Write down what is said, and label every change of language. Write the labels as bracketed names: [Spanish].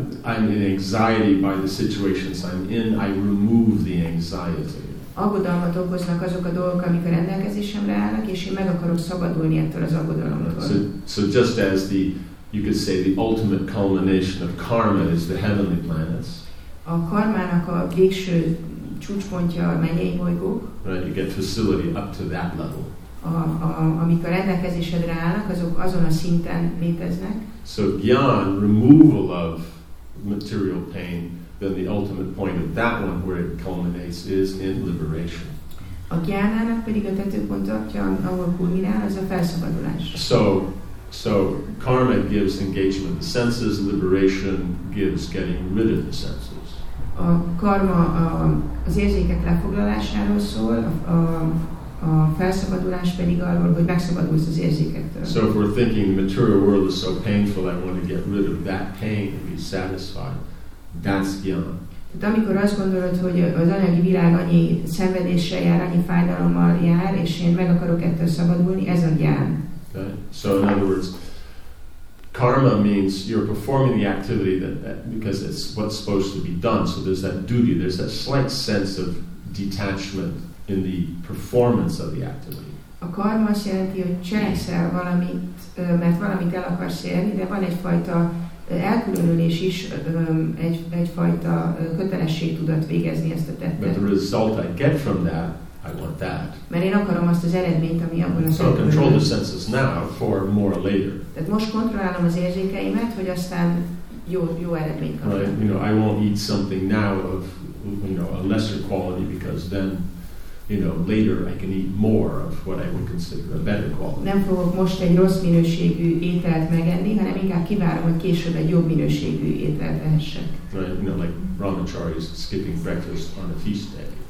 [English] I'm in anxiety by the situations I'm in. I remove the anxiety. [Hungarian] Aggodalmat okoznak azok a dolgok, amik a rendelkezésemre állnak, és én meg akarok szabadulni ettől az aggodalomtól. [English] So just as the, you could say, the ultimate culmination of karma is the heavenly planets. [Hungarian] A karmának a végső csúcspontja a mennyei bolygók. [English] Right, you get facility up to that level. [Hungarian] Amik a rendelkezésedre állnak, azok azon a szinten léteznek. [English] So jnana, removal of material pain, then the ultimate point of that one where it culminates is in liberation. [Hungarian] A gyánának pedig a tetőpont, ahol kulminál, az a felszabadulás. [English] So karma gives engagement of the senses, liberation gives getting rid of the senses. [Hungarian] A karma az érzékek lefoglalásáról szól, a felszabadulás pedig arról, hogy megszabadulsz az érzékektől. [English] So if we're thinking the material world is so painful, I want to get rid of that pain and be satisfied, that's gyan. [Hungarian] Tehát amikor azt gondolod, hogy az anyagi világ annyi szenvedéssel jár, annyi fájdalommal jár, és én meg akarok ettől szabadulni, ez a gyan. [English] Okay. So in other words, karma means you're performing the activity that because it's what's supposed to be done. So there's that duty, there's that slight sense of detachment in the performance of the activity. [Hungarian] A karma azt jelenti, hogy cselekszel valamit, mert valamit el akarsz élni, de van egyfajta elkülönülés is, egyfajta kötelességtudat végezni ezt a tettet. [English] But the result I get from that, I want that. [Hungarian] Mert én akarom azt az eredményt, ami abból a szempontból. [English] So control the senses now for more later. [Hungarian] Tehát most kontrollálom az érzékeimet, hogy aztán jó eredményt kapjam. [English] Right, you know, I won't eat something now of, you know, a lesser quality because then, you know, later I can eat more of what I would consider a better quality. [Hungarian] Nem fogok most egy rossz minőségű ételt megenni, hanem inkább kivárom, hogy később egy jobb minőségű ételt ehessek. [English] Right, you know, like Brahmachari is skipping breakfast on a feast day.